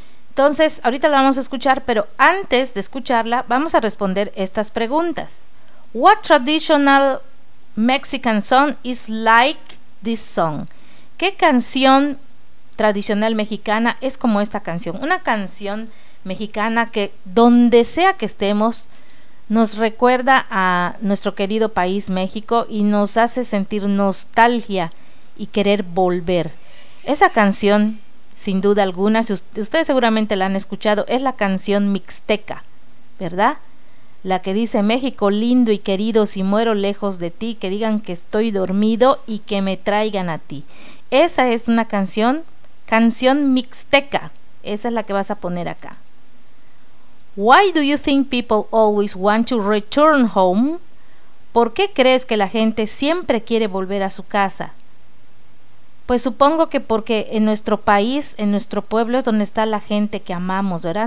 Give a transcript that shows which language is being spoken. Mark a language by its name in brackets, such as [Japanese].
[Spanish] Entonces, ahorita la vamos a escuchar, pero antes de escucharla, vamos a responder estas preguntas. [English] What traditional Mexican song is like this song? [Spanish] ¿Qué canción tradicional mexicana es como esta canción? Una canción mexicana que donde sea que estemos nos recuerda a nuestro querido país México y nos hace sentir nostalgia y querer volver. Esa canción, sin duda alguna, si ustedes seguramente la han escuchado, es la canción mixteca, ¿verdad? La que dice México lindo y querido, si muero lejos de ti, que digan que estoy dormido y que me traigan a ti. Esa es una canción mixteca. Esa es la que vas a poner acá. [English] Why do you think people always want to return home? [Spanish] ¿Por qué crees que la gente siempre quiere volver a su casa? Pues supongo que porque en nuestro país, en nuestro pueblo, es donde está la gente que amamos, ¿verdad?